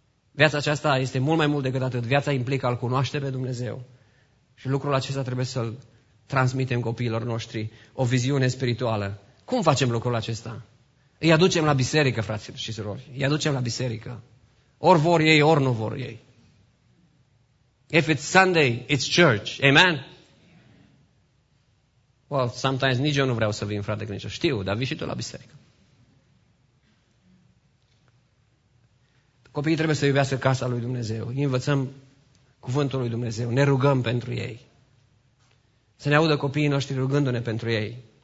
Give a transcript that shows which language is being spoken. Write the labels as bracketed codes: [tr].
[ro] Viața aceasta este mult mai mult decât atât. Viața implică a-L cunoaște pe Dumnezeu. Și lucrul acesta trebuie să-L transmitem copiilor noștri, o viziune spirituală. Cum facem lucrul acesta? Îi aducem la biserică, fraților și surori. Îi aducem la biserică. Ori vor ei, ori nu vor ei. [en] If it's Sunday, it's church. Amen? Well, sometimes [ro] nici eu nu vreau să vin, frate, că nici eu știu, dar vii și tu la biserică. Copiii trebuie să iubească casa lui Dumnezeu. Îi învățăm cuvântul lui Dumnezeu. Ne rugăm pentru ei. Să ne audă copiii noștri rugându-ne pentru ei.